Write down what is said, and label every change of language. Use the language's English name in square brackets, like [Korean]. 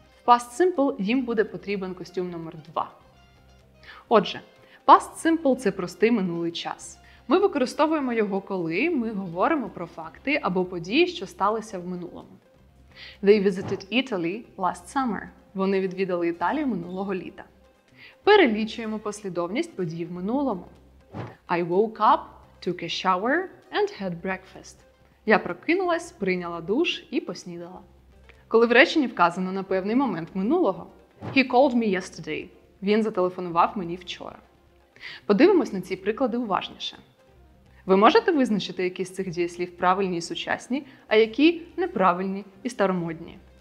[Ukrainian] В past simple їм буде потрібен костюм номер 2. Отже, past simple – це простий минулий час. Ми використовуємо його, коли ми говоримо про факти або події, що сталися в минулому. [English] They visited Italy last summer. [Ukrainian] Вони відвідали Італію минулого літа. Перелічуємо послідовність подій в минулому. [English] I woke up, took a shower and had breakfast. [Ukrainian] Я прокинулась, прийняла душ і поснідала. Коли в реченні вказано на певний момент минулого. [English] He called me yesterday. [Ukrainian] Він зателефонував мені вчора. Подивимось на ці приклади уважніше. Ви можете визначити, які з цих дієслів правильні і сучасні, а які – неправильні і старомодні?